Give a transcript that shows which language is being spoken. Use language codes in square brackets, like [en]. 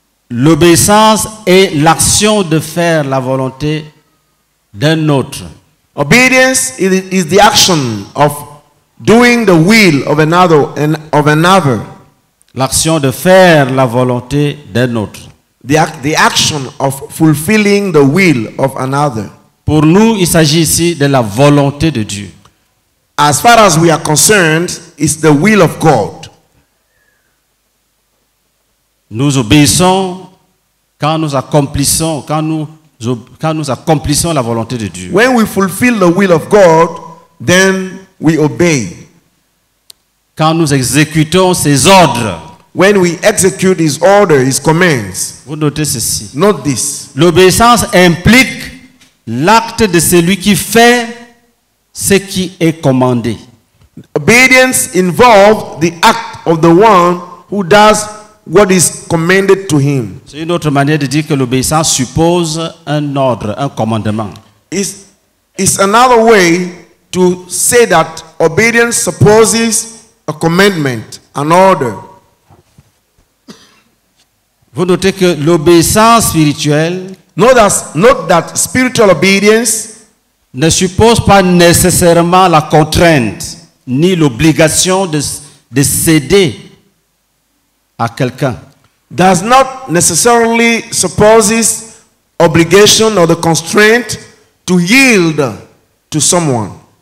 [fr] L'obéissance est l'action de faire la volonté d'un autre. [en] Obedience is the action of doing the will of another. [fr] L'action de faire la volonté d'un autre. [en] The action of fulfilling the will of another. [fr] Pour nous, il s'agit ici de la volonté de Dieu. [en] As far as we are concerned, it's the will of God. [fr] Nous obéissons quand nous accomplissons, quand nous accomplissons la volonté de Dieu. [en] When we fulfill the will of God, then we obey. [fr] Quand nous exécutons ses ordres. [en] When we execute his order, his commands. [fr] Vous notez ceci. [en] Note this. [fr] L'obéissance implique l'acte de celui qui fait ce qui est commandé. [en] Obedience involves the act of the one who does what is commanded to him. [fr] C'est une autre manière de dire que l'obéissance suppose un ordre, un commandement. [en] It's another way to say that obedience supposes a commandment, an order. [fr] Vous notez que l'obéissance spirituelle [en] note that spiritual obedience [fr] ne suppose pas nécessairement la contrainte ni l'obligation de céder à quelqu'un. [en] Does not necessarily supposes obligation or the constraint to yield to someone.